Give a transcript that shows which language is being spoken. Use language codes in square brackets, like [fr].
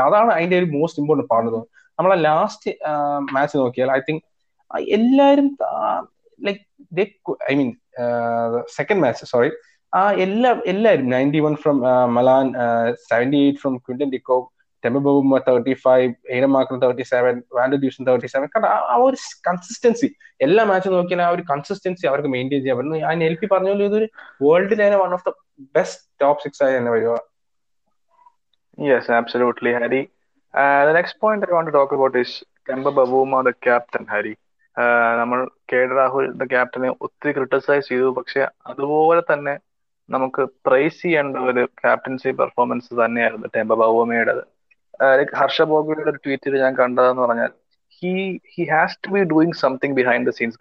[ml] അതാണ് അതിന്റെ ഒരു മോസ്റ്റ് ഇമ്പോർട്ടൻ്റ് പാർട്ട് എന്ന് തോന്നുന്നത്. നമ്മളെ ലാസ്റ്റ് മാച്ച് നോക്കിയാൽ ഐ തിങ്ക് എല്ലാവരും like they [en] I mean second match sorry [ml] ആ എല്ലാ എല്ലാവരും 91 from Malan, 78 from Quinton ഡിക്കോ, ടെമ്പബൂമ 35, Eden മാക്കർ 37, വാൻഡ്രഡ്യൂസൺ 37. കാരണം ആ ഒരു കൺസിസ്റ്റൻസി എല്ലാ മാച്ചും നോക്കിയാൽ ആ ഒരു കൺസിസ്റ്റൻസി അവർക്ക് മെയിൻറ്റെയിൻ ചെയ്യാൻ പറ്റുന്നു. ഞാൻ എൽ പി പറഞ്ഞ പോലെ ഇതൊരു വേൾഡിൽ തന്നെ one of the best top six ആയി തന്നെ വരിക. [en] Yes, absolutely, Hari. The next point that I want to talk about is Kemba Bavuma, the captain, Hari. [ml] നമ്മൾ കെ ഡി രാഹുൽ ദ ക്യാപ്റ്റനെ ഒത്തിരി ക്രിട്ടിസൈസ് ചെയ്തു, പക്ഷെ അതുപോലെ തന്നെ നമുക്ക് പ്രൈസ് ചെയ്യേണ്ട ഒരു ക്യാപ്റ്റൻസി പെർഫോമൻസ് തന്നെയായിരുന്നു ടെമ്പ ബവോമയുടേത്. [en] like [ml] ഹർഷ ബോഗയുടെ ഒരു ട്വീറ്റിൽ ഞാൻ കണ്ടതെന്ന് പറഞ്ഞാൽ [en] He has to be doing something behind the scenes.